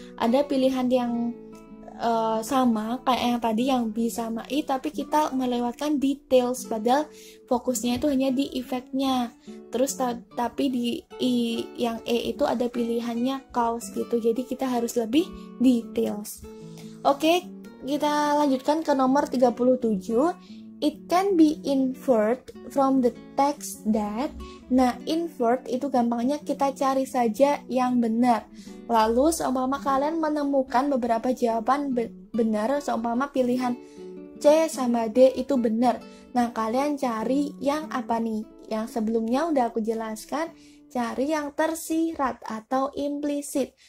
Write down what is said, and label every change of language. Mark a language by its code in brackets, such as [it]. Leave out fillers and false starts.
[id] Ada pilihan yang sama kayak yang tadi yang B sama I, tapi kita melewatkan details padahal fokusnya itu hanya di efeknya. Terus tapi di I yang E itu ada pilihannya cause gitu. Jadi kita harus lebih details. Oke, kita lanjutkan ke nomor 37. [en] It can be inferred from the text that. [id] Nah, inferred itu gampangnya kita cari saja yang benar. Lalu seumpama kalian menemukan beberapa jawaban benar, seumpama pilihan C sama D itu benar. Nah, kalian cari yang apa nih? Yang sebelumnya udah aku jelaskan, cari yang tersirat atau implisit.